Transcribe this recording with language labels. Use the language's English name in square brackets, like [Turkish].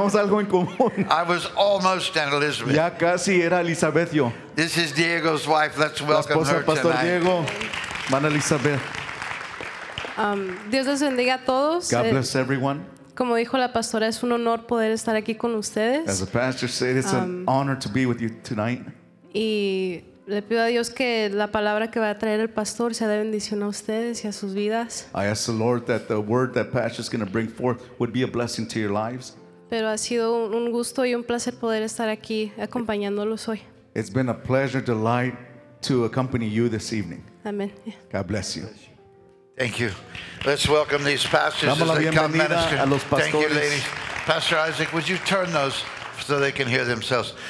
[Spanish] Tenemos algo en común. [English] I was almost an Elizabeth. [Spanish] Ya casi era Elizabeth yo. [English] This is Diego's wife. Let's [Spanish] la esposa [English] welcome her Pastor tonight. Diego, man Elizabeth. [Spanish] Dios les bendiga a todos. [English] God bless everyone. [Spanish] Como dijo la pastora, es un honor poder estar aquí con ustedes. [English] As the pastor said, it's an honor to be with you tonight. [Spanish] Y le pido a Dios que la palabra que va a traer el pastor sea de bendición a ustedes y a sus vidas. [English] I ask the Lord that the word that pastor is going to bring forth would be a blessing to your lives. [Spanish] Pero ha sido un gusto y un placer poder estar aquí acompañándolos hoy. [English] It's been a pleasure, delight to accompany you this evening. Amen. God bless you. Thank you. Let's welcome these pastors as they come minister. Thank you, ladies. Pastor Isaac, would you turn those so they can hear themselves?